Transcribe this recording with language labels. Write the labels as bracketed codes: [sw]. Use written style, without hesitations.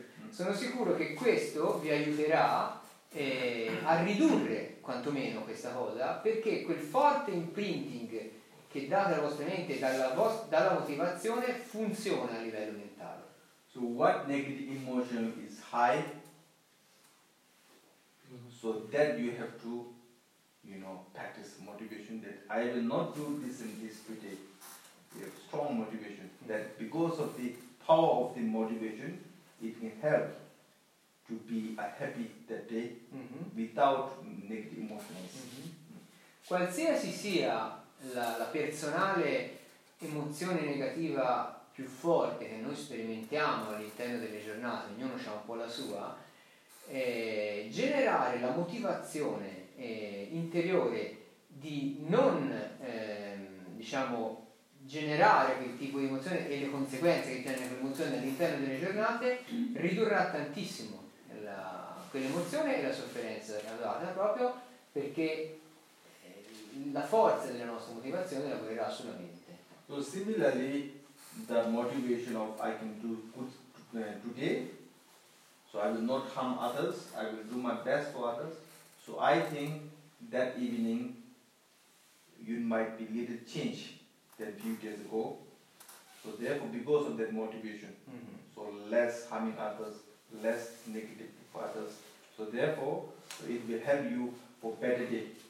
[it] Sono sicuro che questo vi aiuterà a ridurre quantomeno questa cosa, perché quel forte imprinting che date alla vostra mente dalla motivazione funziona a livello mentale. [en] So what negative emotion is high, so that you have to, you know, practice motivation that I will not do this and this today. You have strong motivation that because of the power of the motivation it can help to be a happy that day, mm-hmm, without negative emotions. Mm-hmm. Mm. [it] Qualsiasi sia la personale emozione negativa più forte che noi sperimentiamo all'interno delle giornate, ognuno ha un po' la sua, generare la motivazione interiore di non diciamo generare quel tipo di emozione e le conseguenze che tiene quell'emozione all'interno delle giornate ridurrà tantissimo quell'emozione e la sofferenza causata, proprio perché la forza della nostra motivazione lavorerà solamente. [en] So similarly, the motivation of I can do good today, so I will not harm others, I will do my best for others, so I think that evening you might be little change than few days ago, so therefore because of that motivation, mm-hmm, so less harming others, less negative for others, so therefore it will help you for better day.